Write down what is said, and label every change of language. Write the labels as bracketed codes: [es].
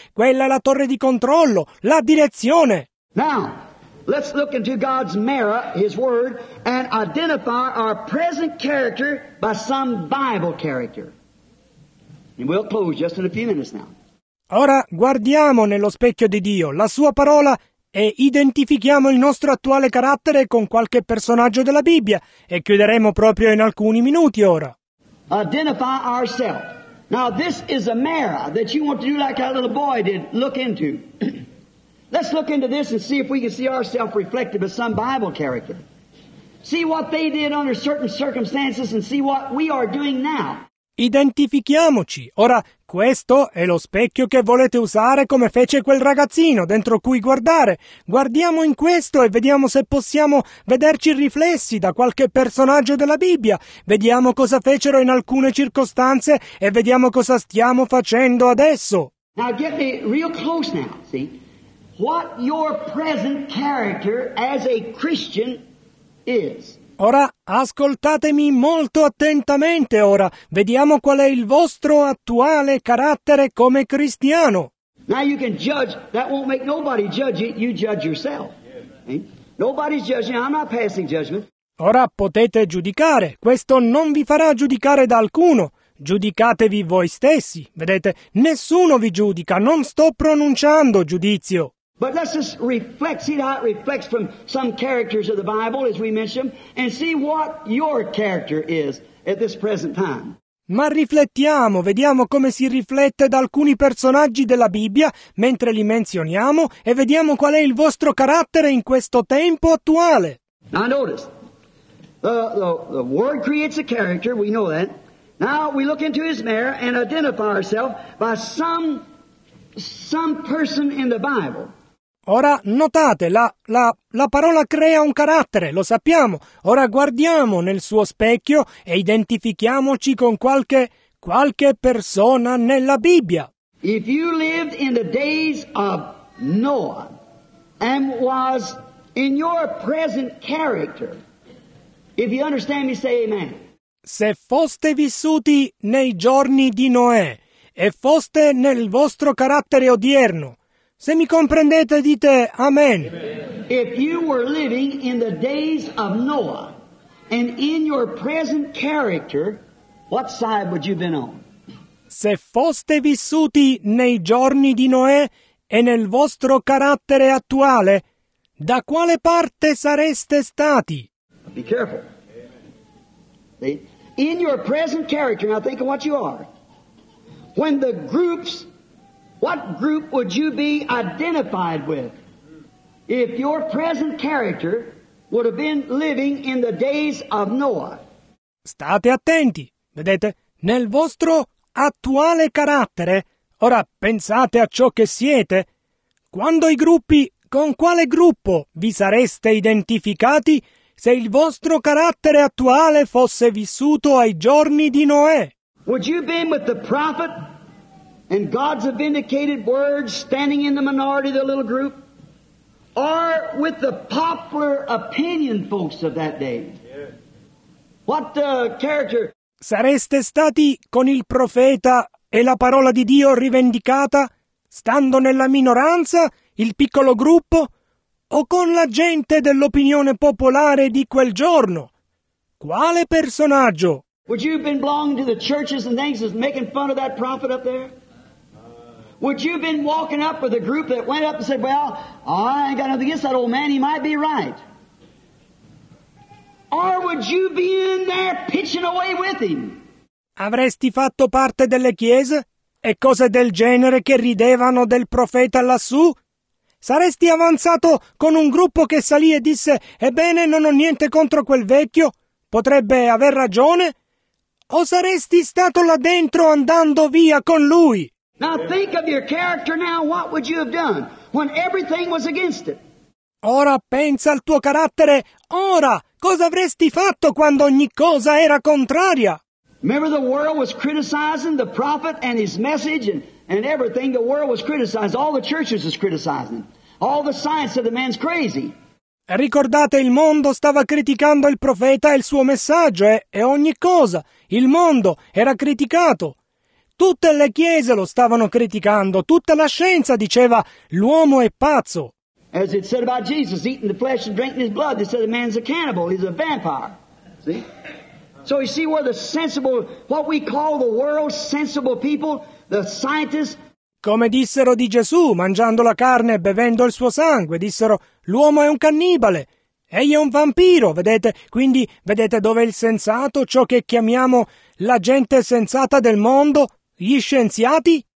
[it] Quella è la torre di controllo, la direzione. [en] Now, let's look into God's mirror, His Word, and identify our present character by some Bible character. And we'll close just in a few minutes now. [it] Ora guardiamo nello specchio di Dio, la sua parola, e identifichiamo il nostro attuale carattere con qualche personaggio della Bibbia, e chiuderemo proprio in alcuni minuti ora. [en] Identify ourselves. Now this is a mirror that you want to do like that little boy did, look into. Let's look into this and see if we can see ourselves reflected by some Bible character. See what they did under certain circumstances and see what we are doing now. [it] Identifichiamoci. Ora, questo è lo specchio che volete usare come fece quel ragazzino, dentro cui guardare. Guardiamo in questo e vediamo se possiamo vederci riflessi da qualche personaggio della Bibbia. Vediamo cosa fecero in alcune circostanze e vediamo cosa stiamo facendo adesso. [en] Now get me real close now, see? What your present character as a Christian is. [it] Ora, ascoltatemi molto attentamente ora. Vediamo qual è il vostro attuale carattere come cristiano. [en] Now you can judge. That won't make nobody judge you. You judge yourself. Nobody's judging. I'm not passing judgment. [it] Ora potete giudicare. Questo non vi farà giudicare da alcuno. Giudicatevi voi stessi. Vedete, nessuno vi giudica. Non sto pronunciando giudizio. [en] But let's just reflect, see how it reflects from some characters of the Bible, as we mentioned, and see what your character is at this present time. [it] Ma riflettiamo, vediamo come si riflette da alcuni personaggi della Bibbia, mentre li menzioniamo, e vediamo qual è il vostro carattere in questo tempo attuale. [en] Now notice, the Word creates a character, we know that. Now we look into His mirror and identify ourselves by some person in the Bible. [it] Ora notate, la parola crea un carattere, lo sappiamo. Ora guardiamo nel suo specchio e identifichiamoci con qualche persona nella Bibbia. [en] If you lived in the days of Noah and was in your present character, if you understand me, say amen. [it] Se foste vissuti nei giorni di Noè e foste nel vostro carattere odierno, se mi comprendete, dite amen. [en] If you were living in the days of Noah and in your present character, what side would you be on? [it] Se foste vissuti nei giorni di Noè e nel vostro carattere attuale, da quale parte sareste stati? [en] Be careful. See? In your present character, now think of what you are. When the groups... What group would you be identified with if your present character would have been living in the days of Noah? [it] State attenti, vedete, nel vostro attuale carattere, ora pensate a ciò che siete, quando i gruppi, con quale gruppo vi sareste identificati se il vostro carattere attuale fosse vissuto ai giorni di Noè? [en] Would you be with the prophet? And God's vindicated word standing in the minority of the little group? Or with the popular opinion folks of that day? Yeah. What character? [it] Sareste stati con il profeta e la parola di Dio rivendicata, stando nella minoranza, il piccolo gruppo o con la gente dell'opinione popolare di quel giorno? Quale personaggio? [en] Would you been belonging to the churches and things that's making fun of that prophet up there? Would you been walking up with a group that went up and said, well, I ain't got nothing against that old man, he might be right. Or would you be in there pitching away with him? [it] Avresti fatto parte delle chiese e cose del genere che ridevano del profeta lassù? Saresti avanzato con un gruppo che salì e disse, ebbene, non ho niente contro quel vecchio, potrebbe aver ragione? O saresti stato là dentro andando via con lui? [en] Now think of your character now, what would you have done when everything was against it? [it] Ora pensa al tuo carattere, ora, cosa avresti fatto quando ogni cosa era contraria? [en] Remember the world was criticizing the prophet and his message and everything. The world was criticizing, all the churches was criticizing. All the science said the man's crazy. [it] Ricordate, il mondo stava criticando il profeta e il suo messaggio e ogni cosa. Il mondo era criticato. Tutte le chiese lo stavano criticando. Tutta la scienza diceva l'uomo è pazzo. [en] As it said about Jesus, eating the flesh and drinking his blood, they said the man's a cannibal, he's a vampire. See? So you see where the sensible, what we call the world sensible people, the scientists. [it] Come dissero di Gesù, mangiando la carne e bevendo il suo sangue, dissero, l'uomo è un cannibale, egli è un vampiro, vedete? Quindi vedete dove è il sensato, ciò che chiamiamo la gente sensata del mondo, gli scienziati?